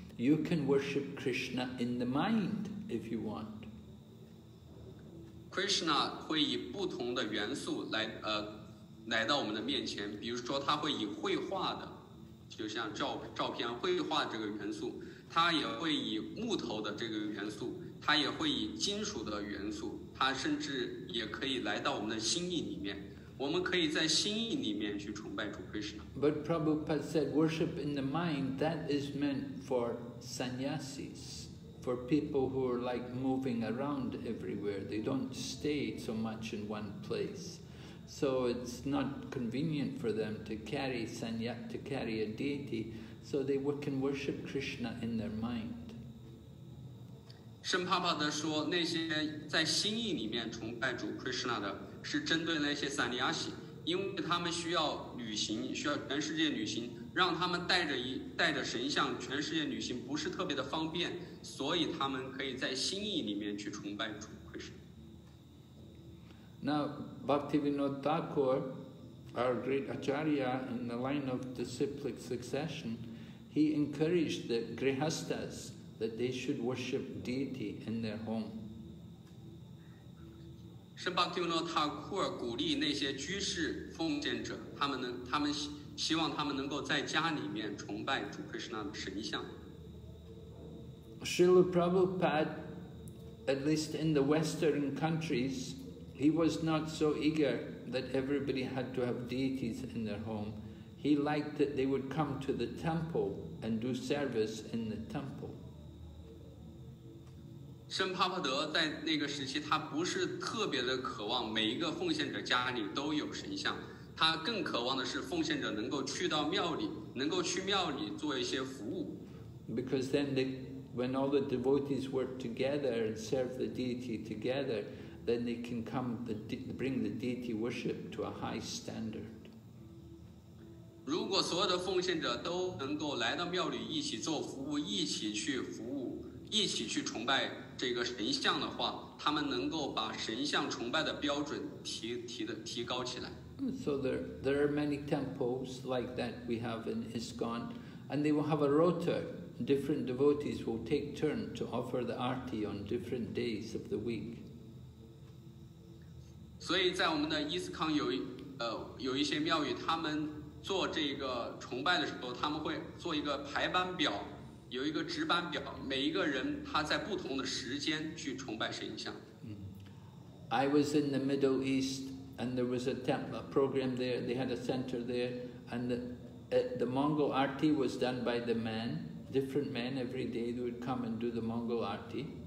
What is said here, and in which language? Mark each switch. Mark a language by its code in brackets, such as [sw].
[en] You can worship Krishna in the mind if you want. [zh] Krishna 会以不同的元素来到我们的面前，比如说他会以绘画的，就像照片绘画这个元素，他也会以木头的这个元素，他也会以金属的元素，他甚至也可以来到我们的心意里面。我们可以在心意里面去崇拜主 Krishna. [en] But Prabhupada said, worship in the mind, that is meant for sannyasis, for people who are like moving around everywhere. They don't stay so much in one place. So it's not convenient for them to carry to carry a deity, so they can worship Krishna in their mind. [zh] 圣帕帕德说，那些在心意里面崇拜主 Krishna 的是针对那些三尼亚西，因为他们需要旅行，需要全世界旅行，让他们带着神像全世界旅行不是特别的方便，所以他们可以在心意里面去崇拜主 Krishna。 [en] Now, Bhaktivinoda Thakur, our great acharya in the line of disciplic succession, he encouraged the grihasthas that they should worship deity in their home. [zh] 圣巴蒂诺塔库尔鼓励那些居士奉献者，他们希望他们能够在家里面崇拜主克什纳的神像。 [en] Srila Prabhupada, at least in the Western countries, he was not so eager that everybody had to have deities in their home. He liked that they would come to the temple and do service in the temple. [zh] 圣帕帕德在那个时期，他不是特别的渴望每一个奉献者家里都有神像，他更渴望的是奉献者能够去到庙里，能够去庙里做一些服务。 [en] Because then, when all the devotees work together and serve the deity together, then they can come bring the deity worship to a high standard. [zh] 如果所有的奉献者都能够来到庙里一起做服务，一起去服务。一起去崇拜这个神像的话，他们能够把神像崇拜的标准 提高起来。 [en] So there are many temples like that we have in ISKCON, and they will have a rotor. Different devotees will take turn to offer the arti on different days of the week. [zh] 所以在我们的 ISKCON 有一些庙宇，他们做这个崇拜的时候，他们会做一个排班表，有一个值班表，每一个人他在不同的时间去崇拜神像。 [en] I was in the Middle East, and there was a temple program there. They had a center there, and the Mongol arti was done by the men, different men every day. They would come and do the Mongol arti.